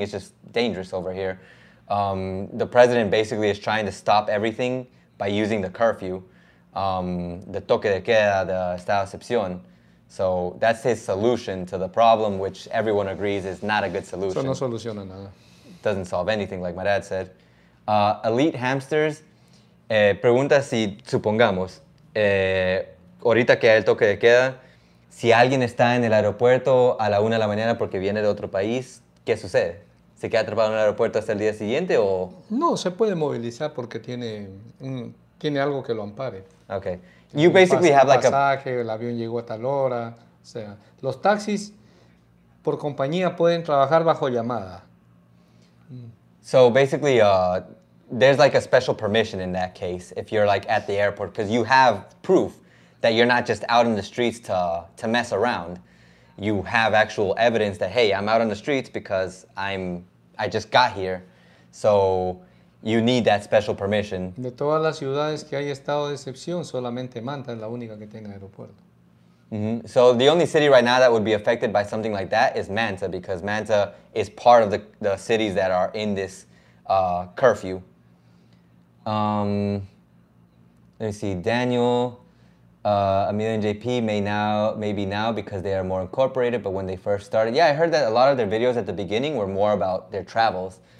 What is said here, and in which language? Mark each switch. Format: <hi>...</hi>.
<en>It's just dangerous over here. The president basically is trying to stop everything by using the curfew. The toque de queda, the esta excepción. So that's his solution to the problem, which everyone agrees is not a good solution.</en> <es>So no soluciona nada.</es> <en>Doesn't solve anything, like my dad said.</en> <es>Elite Hamsters pregunta si, supongamos, ahorita que hay el toque de queda, si alguien está en el aeropuerto a la una de la mañana porque viene de otro país, ¿qué sucede? ¿Se queda atrapado en el aeropuerto hasta el día siguiente o...? No, se puede movilizar porque tiene... Tiene algo que lo ampare.</es> <en>Okay. You basically have like</en> <es>pasaje, el avión llegó a tal hora. O sea, los taxis por compañía pueden trabajar bajo llamada.</es> <en>So basically, there's like a special permission in that case if you're like at the airport because you have proof that you're not just out in the streets to mess around. You have actual evidence that, hey, I'm out on the streets because I just got here. So... You need that special permission.</en> <es>De todas las ciudades que hay estado de excepción, solamente Manta es la única que tiene aeropuerto. Mm-hmm.</es> <en>So the only city right now that would be affected by something like that is Manta, because Manta is part of the cities that are in this curfew. Let me see, Daniel, Emilio and JP maybe now because they are more incorporated, but when they first started, yeah, I heard that a lot of their videos at the beginning were more about their travels.</en>